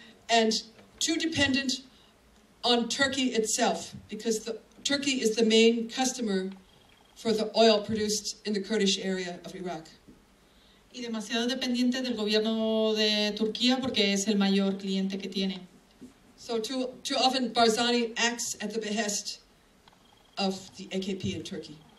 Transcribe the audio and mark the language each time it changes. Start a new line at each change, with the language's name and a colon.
English: And too dependent on Turkey itself, because Turkey is the main customer for the oil produced in the Kurdish area of Iraq.
Spanish: Y demasiado dependiente del gobierno de Turquía porque es el mayor cliente que tiene.
English: So too often Barzani acts at the behest of the AKP in Turkey.